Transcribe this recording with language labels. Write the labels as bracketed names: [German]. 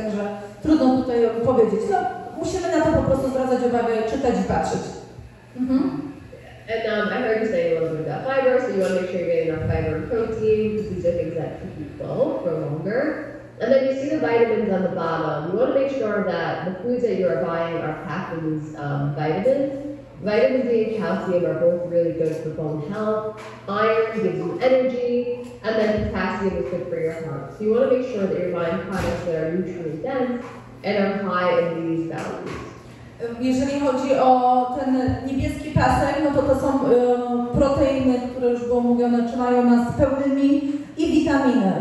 [Polish] Także trudno tutaj powiedzieć. No, musimy na to po prostu zwracać uwagę, czytać i patrzeć. Mhm. [English] And I heard you say a little bit about fiber, so you want to make sure you get enough fiber and protein, because these are things that keep you full for longer. And then you see the vitamins on the bottom. You want to make sure that the foods that you are buying are packed in these vitamins. Vitamin D and calcium are both really good for bone health. Iron gives you energy, and then potassium is good for your heart. So you want to make sure that you're buying products that are nutrient dense and are high in these values. [Polish] Jeżeli chodzi o ten niebieski pasek, no to są proteiny, które już było mówione, czy mają nas pełnymi i witaminy.